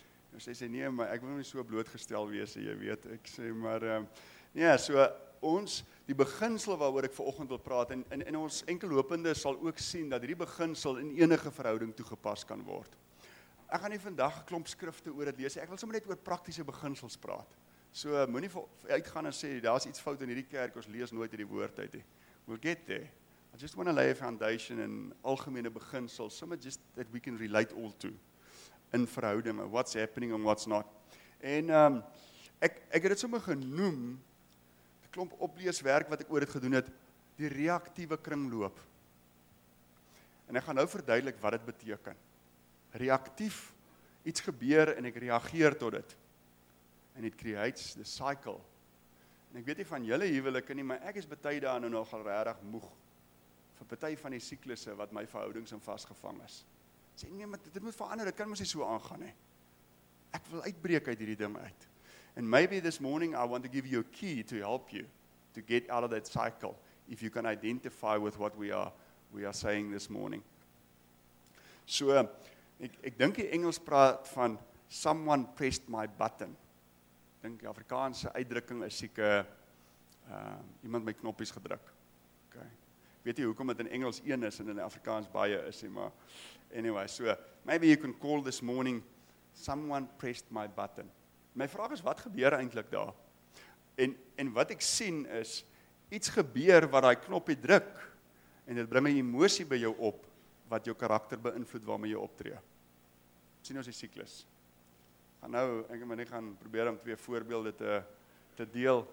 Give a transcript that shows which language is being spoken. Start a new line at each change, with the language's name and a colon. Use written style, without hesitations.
Afrikaans: Nou sê sy, nee, maar ek wil nie so blootgestel wees, jy weet, ek sê, maar, so ons, die beginsel waaroor ek vanoggend wil praat, en ons enkellopende sal ook sien dat die beginsel in enige verhouding toegepas kan word. Ek gaan nie vandag klomp skrifte oor dit lees, ek wil sommer net oor praktiese beginsels praat. So, moet nie uitgaan en sê, daar is iets fout in hierdie kerk, ons lees nooit die woord uit.
English: We'll get there. I just want to lay a foundation in
Afrikaans: algemene beginsels,
English: somewhere just that we can relate all to,
Afrikaans: in verhouding,
English: what's happening and what's not.
Afrikaans: En ek het dit sommer genoem, die klomp opleeswerk wat ek oor het gedoen het, die reaktiewe kringloop. En ek gaan nou verduidelik wat dit beteken. Reaktief, iets gebeur en ek reageer tot dit. En het
English: creates the cycle.
Afrikaans: En ek weet nie van julle huwelike nie, maar ek is baie daar nou nogal regtig moeg. Vir baie van die siklusse wat my verhoudings in vasgevang is. Sê nee, maar dit moet verander, dit kan mos nie so aangaan nie. Ek wil uitbreek uit hierdie ding uit.
English: And maybe this morning I want to give you a key to help you to get out of that cycle. If you can identify with what we are saying this morning.
Afrikaans: So, ek dink die Engels praat van
English: someone pressed my button.
Afrikaans: Dink die Afrikaanse uitdrukking is seker iemand my knoppies gedruk. Okay. Weet jy hoekom dit in Engels een is en in Afrikaans baie is nie, maar anyway, so
English: maybe you can call this morning someone pressed my button.
Afrikaans: My vraag is wat gebeur eintlik daar? En wat ek sien is iets gebeur wat daai knoppie druk en dit bring 'n emosie by jou op wat jou karakter beïnvloed waarmee jy optree. Sien ons die siklus. Nou, ek moet nie gaan probeer om twee voorbeelde te deel.